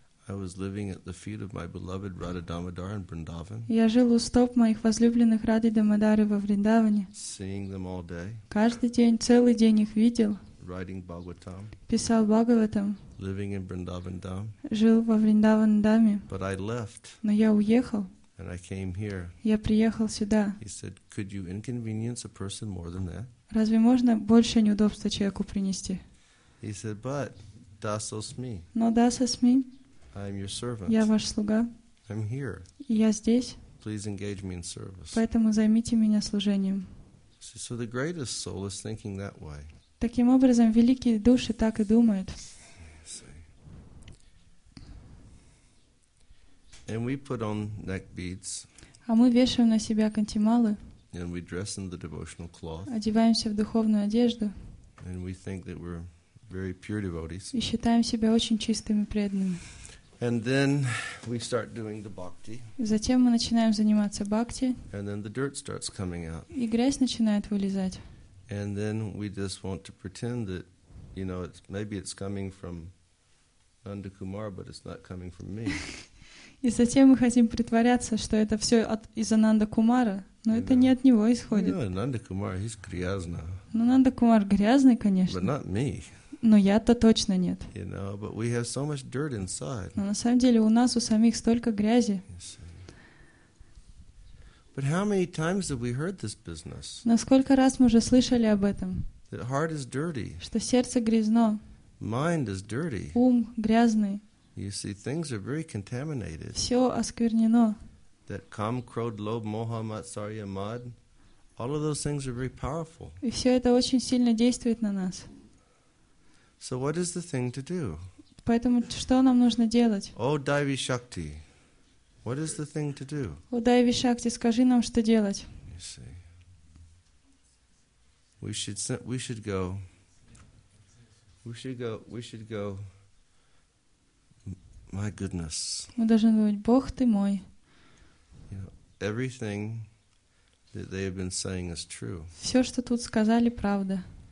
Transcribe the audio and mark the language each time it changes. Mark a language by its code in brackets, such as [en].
[en] I was living at the feet of my beloved Radha Damodar in Vrindavan. [ru] Я жил у стоп моих возлюбленных Рады Дамодары во Вриндаване. [en] Seeing them all day. [ru] Каждый день, целый день их видел. [en] Writing Bhagavatam. [ru] Писал Бхагаватам. [en] Living in Vrindavan Dham. [ru] Жил во Вриндаван Даме. [en] But I left. [ru] Но я уехал. [en] And I came here. [ru] Я приехал сюда. [en] He said, "Could you inconvenience a person more than that?" [ru] Разве можно больше неудобства человеку принести? [en] He said, "But dasasmi." [ru] Но дасасми. [en] I'm your servant. [ru] Я ваш слуга. [en] I'm here. [ru] Я здесь. [en] Please engage me in service. [ru] Поэтому займите меня служением. [en] So the greatest soul is thinking that way. [ru] Таким образом, великие души так и думают. [en] And we put on neck beads. [ru] А мы вешаем на себя кантималы. [en] And we dress in the devotional cloth. [ru] Одеваемся в духовную одежду. [en] And we think that we're very pure devotees. [ru] И считаем себя очень чистыми преданными. [en] And then we start doing the bhakti. [ru] Затем мы начинаем заниматься бхакти. [en] And then the dirt starts coming out. [ru] И грязь начинает вылезать. [en] And then we just want to pretend that, you know, it's, maybe it's coming from Nanda Kumar, but it's not coming from me. [ru] И затем мы хотим притворяться, что это все из Ананда Кумара, но это не от него исходит. [en] You know, Nanda Kumar, he's грязно. [ru] Но Нанда Кумар грязный, конечно. [en] But not me. [ru] Но я-то точно нет. [en] You know, but we have so much dirt inside. [ru] Но на самом деле у нас у самих столько грязи. [en] But how many times have we heard this business? [ru] Насколько раз мы уже слышали об этом? [en] That heart is dirty. [ru] Что сердце грязно. [en] Mind is dirty. [ru] Ум грязный. [en] You see, things are very contaminated. [ru] Все осквернено. [en] That kam, krodh, lobh, moha, matsarya, mad. All of those things are very powerful. [ru] И все это очень сильно действует на нас. [en] So what is the thing to do? [ru] Поэтому что нам нужно делать? [en] Oh, Daivi Shakti, what is the thing to do? [ru] О, Daivi Shakti, скажи нам, что делать. [en] You see. We should go. We should go. My goodness. [ru] Мы должны говорить, Бог ты мой. [en] You know, everything that they have been saying is true. [ru] Все, что тут сказали, правда.